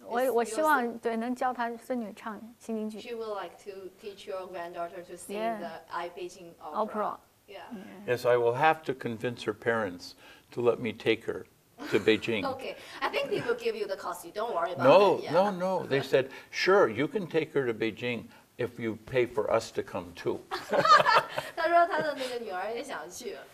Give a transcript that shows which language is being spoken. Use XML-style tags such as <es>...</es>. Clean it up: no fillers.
<zh>我希望对能教她孙女唱新京剧。</zh> <en>She would like to teach your granddaughter to sing the Ai Beijing opera. Yeah. Yes, I will have to convince her parents to let me take her. To Beijing. Okay, I think they will give you the costume. Don't worry about it. No. They said, sure, you can take her to Beijing if you pay for us to come too.</en> <zh>他说他的那个女儿也想去。</zh>